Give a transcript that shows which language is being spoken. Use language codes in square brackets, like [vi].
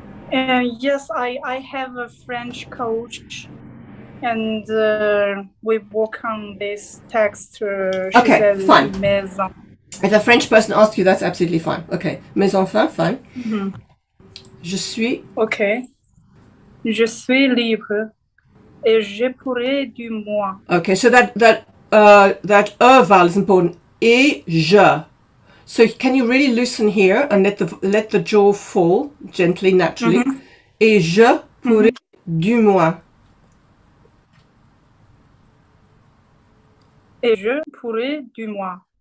[en] Yes, I have a French coach, and we work on this text. Okay, fine. If a French person asks you, that's absolutely fine. Okay, [fr] mes enfants, [en] fine. Mm-hmm. [fr] Je suis... [en] Okay. [fr] Je suis libre, et je pourrai du moi. [en] Okay, so that vowel is important. [fr] Et je... [en] So can you really loosen here and let the jaw fall gently, naturally? [fr] Mm-hmm. Et je pourrai mm-hmm. du moins. Et je pourrai du moins.